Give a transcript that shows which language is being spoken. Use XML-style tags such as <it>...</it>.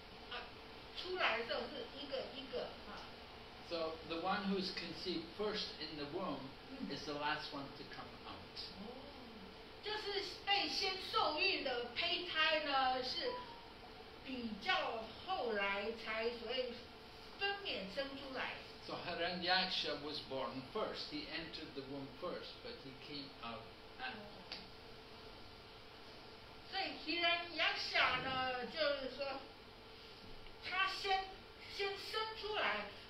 <zh>哦，如果一个母亲呢，她受孕，双胞胎的这个胚胎的话，就是出来的时候是一个一个。</zh> <en>So the one who is conceived first in the womb is the last one to come out.</en> <zh>就是被先受孕的胚胎呢，是比较后来才所以分娩生出来。So</zh> <en>Hiranyaksha was born first. He entered the womb first, but he came out after.</en> <zh>所以Hiranyaksha呢，就是说，他先生出来。</zh>